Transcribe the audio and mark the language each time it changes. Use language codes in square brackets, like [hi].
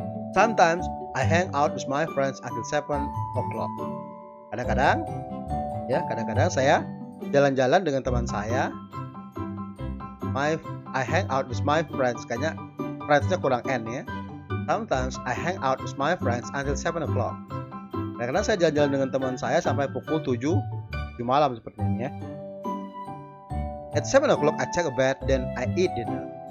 [en] Sometimes I hang out with my friends until 7 o'clock. [id] Kadang-kadang saya jalan-jalan dengan teman saya. [en] I hang out with my friends. [id] Kayaknya friends-nya kurang N ya. [en] Sometimes I hang out with my friends until 7 o'clock. [id] Karena saya jalan-jalan dengan teman saya sampai pukul 7 di malam seperti ini ya. [en] At 7 o'clock I take a bath, then I eat dinner.